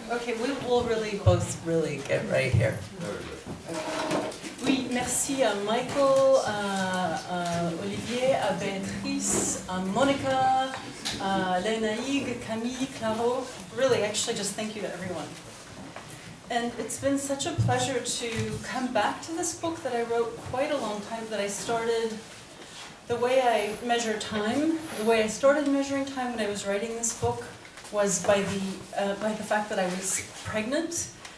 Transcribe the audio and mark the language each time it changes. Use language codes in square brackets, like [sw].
[en] Yeah. Ok, we will really close, really get right here. [fr] Oui, merci à Michael, à Olivier, à Béatrice, à Mónica, à Lénaïg, Camille, Claro. [en] Really, actually, just thank you to everyone. And it's been such a pleasure to come back to this book that I wrote quite a long time, that I started the way I measure time. The way I started measuring time when I was writing this book was by the fact that I was pregnant.